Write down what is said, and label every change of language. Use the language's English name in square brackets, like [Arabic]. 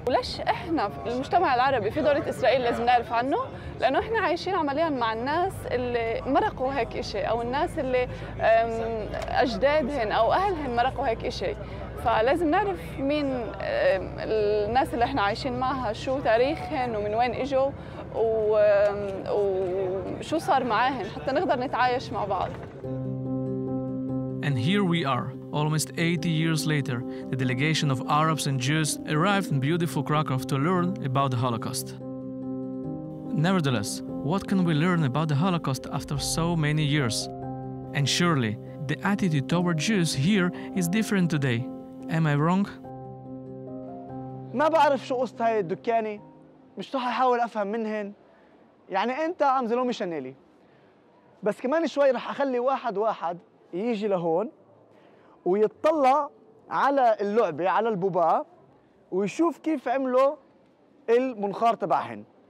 [Arabic] وليش إحنا في المجتمع العربي في دولة إسرائيل لازم نعرف عنه؟ لأنه إحنا عايشين عملياً مع الناس اللي مرقوا هيك إشي، أو الناس اللي أجدادهن أو أهلهن مرقوا هيك إشي، فلازم نعرف مين الناس اللي إحنا عايشين معها، شو تاريخهن ومن وين إجوا وشو صار معاهن حتى نقدر نتعايش مع بعض. [English] And here we are, almost 80 years later, the delegation of Arabs and Jews arrived in beautiful Krakow to learn about the Holocaust. Nevertheless, what can we learn about the Holocaust after so many years? And surely, the attitude toward Jews here is different today. Am I wrong? [Arabic] ما بعرف شو قصة هاي الدكانة، مش رح أحاول أفهم منهن. يعني أنت عم زلومي شنالي، بس كمان شوي رح أخلي واحد يجي لهون ويتطلع على اللعبة على البوبا ويشوف كيف عملوا المنخار تبعهن.